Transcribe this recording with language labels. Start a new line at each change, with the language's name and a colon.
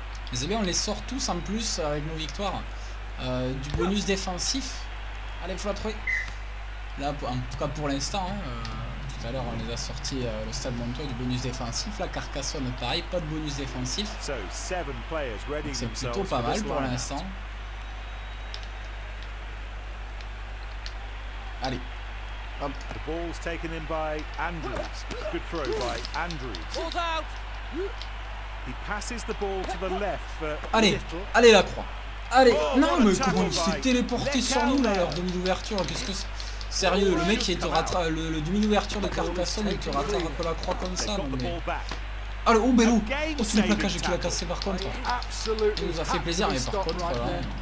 French: Mais c'est bien, on les sort tous en plus avec nos victoires. Du bonus défensif. Allez, faut la trouver. Là, en tout cas pour l'instant. Hein, tout à l'heure, on les a sortis le Stade Montois du bonus défensif. La Carcassonne, pareil, pas de bonus défensif. C'est plutôt pas mal pour l'instant. Allez.
English: The ball's taken in by Andrews. Good throw by Andrews. Ball's out. He passes the ball to the left for.
French: Allez, allez la croix. Allez, non mais comment il s'est téléporté sur nous là, leur demi ouverture. Qu'est-ce que c'est? Sérieux, le mec qui te rattrape le demi ouverture de Carcassonne et te rattrape un peu la croix comme ça. Non, mais... Allez, oh Bello, oh c'est le plaquage qui l'a cassé par contre. Il nous a fait plaisir mais par contre. Là, hein.